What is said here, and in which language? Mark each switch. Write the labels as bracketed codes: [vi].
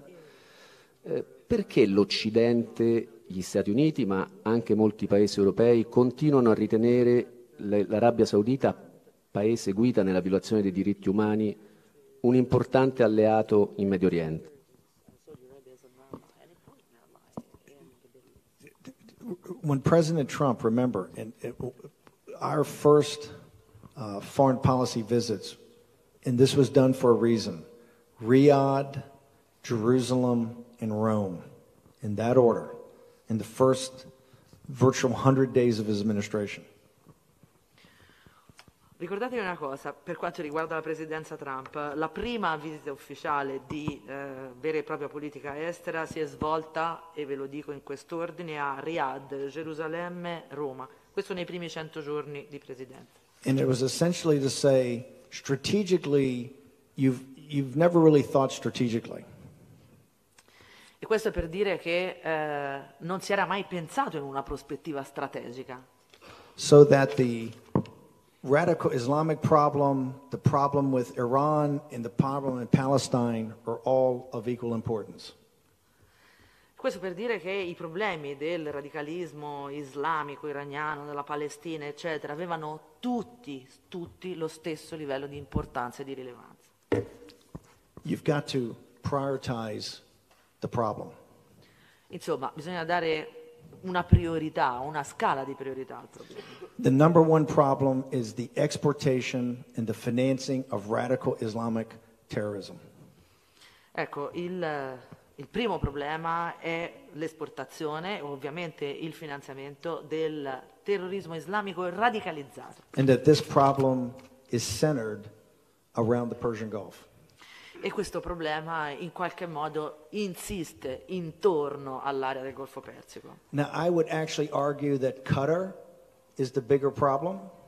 [it] Perché l'Occidente, gli Stati Uniti, ma anche molti paesi europei, continuano a ritenere l'Arabia Saudita, paese guida nella violazione dei diritti umani, un importante alleato in Medio Oriente? [en] When President Trump, remember, and our first foreign policy visits, and this was done for a reason, Riyadh, Jerusalem, and Rome, in that order, in the first virtual 100 days of his administration. [it] Ricordate una cosa, per quanto riguarda la presidenza Trump, la prima visita ufficiale di vera e propria politica estera si è svolta, e ve lo dico in quest'ordine, a Riyadh, Gerusalemme, Roma. Questo nei primi 100 giorni di presidenza. [en] And it was essentially to say, strategically, you've never really thought strategically. [it] E questo per dire che non si era mai pensato in una prospettiva strategica. [en] So that the radical Islamic problem, the problem with Iran, and the problem in Palestine are all of equal importance. [it] Questo per dire che i problemi del radicalismo islamico iraniano, della Palestina, eccetera, avevano tutti lo stesso livello di importanza e di rilevanza. [en] You've got to prioritize the problem. [it] Insomma, bisogna dare una priorità, una scala di priorità al problema. [en] The number one problem is the exportation and the financing of radical Islamic terrorism. [it] Ecco, il, Il primo problema è l'esportazione, ovviamente il finanziamento del terrorismo islamico radicalizzato. [en] And that this problem is centered around the Persian Gulf. [it] E questo problema in qualche modo insiste intorno all'area del Golfo Persico. [en] Now I would actually argue that Qatar is the bigger problem.